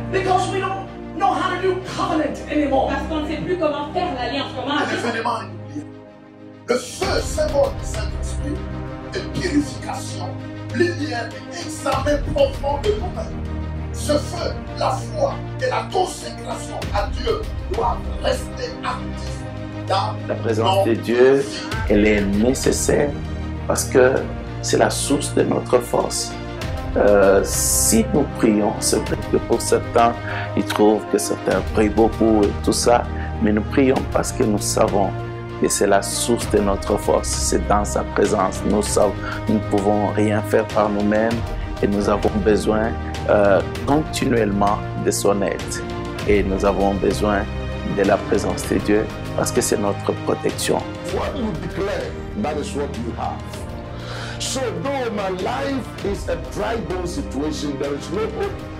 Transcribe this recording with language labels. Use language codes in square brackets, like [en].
[en] Because we don't know how to do covenant anymore. [fr] Parce qu'on ne sait plus comment faire l'alliance. Comment? L'événement est oublié. Le feu, symbole du Saint-Esprit, est purification, lumière et examen profond de nous-mêmes. Ce feu, la foi et la consécration à Dieu doivent rester actifs. La présence de Dieu, elle est nécessaire parce que c'est la source de notre force. Si nous prions, c'est vrai que pour certains, ils trouvent que certains prient beaucoup et tout ça, mais nous prions parce que nous savons que c'est la source de notre force, c'est dans sa présence. Nous ne pouvons rien faire par nous-mêmes et nous avons besoin continuellement de son aide. Et nous avons besoin de la présence de Dieu. Parce que c'est notre protection. [en] What you declare, that is what you have. So though my life is a dry bone situation, there is no hope.